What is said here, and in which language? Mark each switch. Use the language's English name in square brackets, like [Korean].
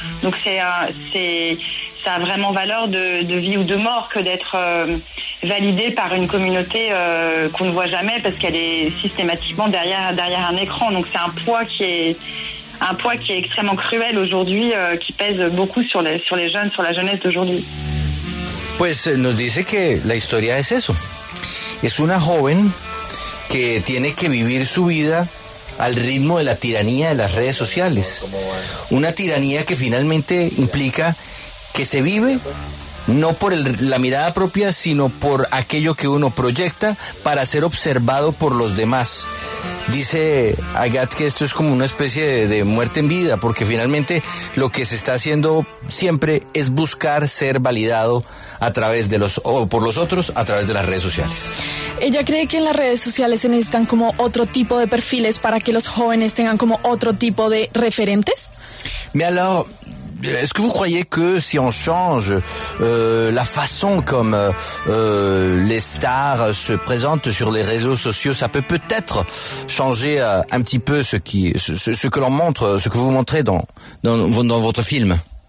[French] Donc ça a vraiment valeur de vie ou de mort que d'être validé par une communauté qu'on ne voit jamais parce qu'elle est systématiquement derrière un écran. Donc c'est un poids qui est extrêmement cruel aujourd'hui, qui pèse beaucoup sur les jeunes, sur la jeunesse d'aujourd'hui. [Spanish] Pues nos dice que la historia es eso. Es una joven que tiene que vivir su vida al ritmo de la tiranía de las redes sociales. Una tiranía que finalmente implica que se vive no por la mirada propia, sino por aquello que uno proyecta para ser observado por los demás. Dice Agathe que esto es como una especie de muerte en vida, porque finalmente lo que se está haciendo siempre es buscar ser validado a través de los o por los otros a través de las redes sociales. Ella cree que en las redes sociales se necesitan como otro tipo de perfiles para que los jóvenes tengan como otro tipo de referentes. [French] Mais alors, est-ce que vous croyez que si on change la façon comme les stars se présentent sur les réseaux sociaux, ça peut peut-être changer un petit peu ce que vous montrez dans votre film?